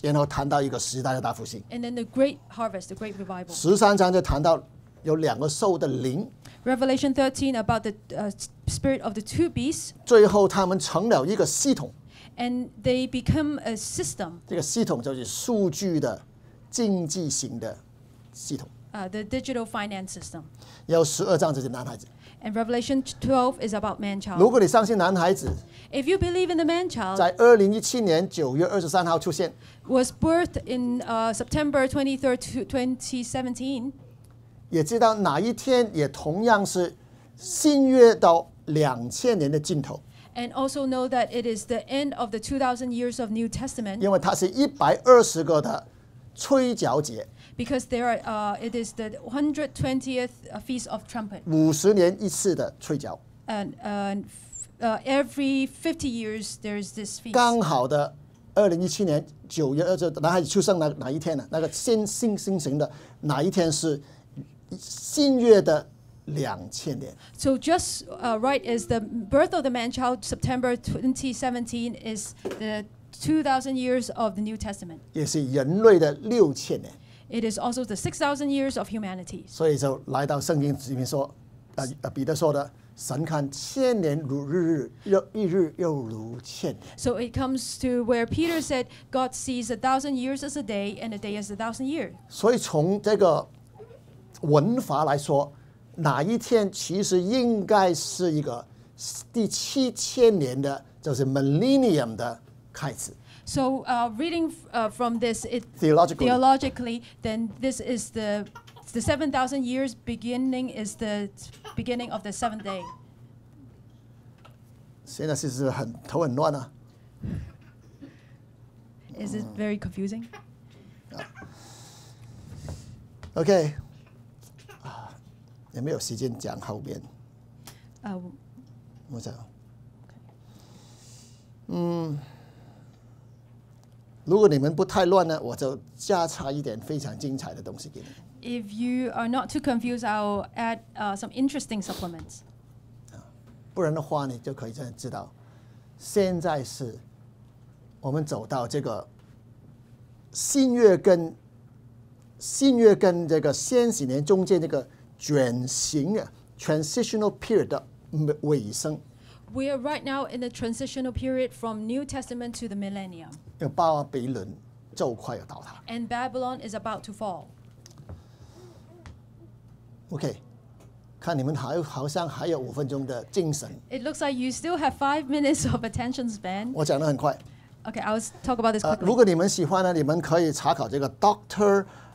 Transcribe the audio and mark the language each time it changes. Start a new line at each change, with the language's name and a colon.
Chinese: 然后谈到一个时代的大复兴。
English: And then the great harvest, the great revival.
Chinese: 十三章就谈到有两个兽的灵。
English: Revelation 13 about the spirit of the two beasts.
Chinese: 最后他们成了一个系统。
English: And they become a system.
Chinese: 这个系统就是数据的经济型的系统。
English: The digital finance system.
Chinese: 有十二章就是男孩子。
English: And Revelation 12 is about man-child.
Chinese: 如果你相信男孩子，
English: If you believe in the man-child,
Chinese: 在2017年9月23号出现，
English: was birthed in September 23rd, 2017.
Chinese: 也知道哪一天也同样是新约到2000年的尽头。
English: And also know that it is the end of the 2,000 years of New Testament.
Chinese: 因为它是120个的吹角节。
English: Because there are, it is the 120th Feast of Trumpet.
Chinese: 50年一次的吹角。
English: And every 50 years there is this feast.
Chinese: 刚好的2017年9月20日，男孩子出生哪一天呢？那个新生的哪一天是新月的2000年？
English: So just right is the birth of the man-child, September 2017 is the 2,000 years of the New Testament.
Chinese: 也是人类的6000年。
English: It is also the 6,000 years of humanity.
Chinese: 所以就来到圣经里面说，彼得说的，神看千年如日日，一日又如千年。
English: So it comes to where Peter said, God sees 1,000 years as a day, and a day as 1,000 years.
Chinese: 所以从这个文法来说，哪一天其实应该是一个第七千年的，就是
English: millennium
Chinese: 的开始。
English: So reading from this it, theologically, then this is the 7,000 years beginning is the beginning of the seventh day.
Chinese: 现在是不是很头很乱啊？
English: Is it very confusing? Okay.
Chinese: 也没有时间讲后面。我想。如果你们不太乱呢，我就加插一点非常精彩的东西给你。
English: If you are not too confused, I'll add some interesting supplements.
Chinese: 不然的话呢，就可以真的知道，现在是我们走到这个新月跟这个先几年中间这个转型啊
English: transitional period
Chinese: 的尾声。
English: We are right now in the transitional period from New Testament to the millennium.
Chinese: 要巴比伦就快要倒塌。
English: And Babylon is about to fall. Okay,
Chinese: 看你们好像还有五分钟的精神。
English: It looks like you still have 5 minutes of attention span.
Chinese: 我讲得很快。
English: Okay, I'll talk about this quickly.
Chinese: 如果你们喜欢呢，你们可以查考这个 Dr.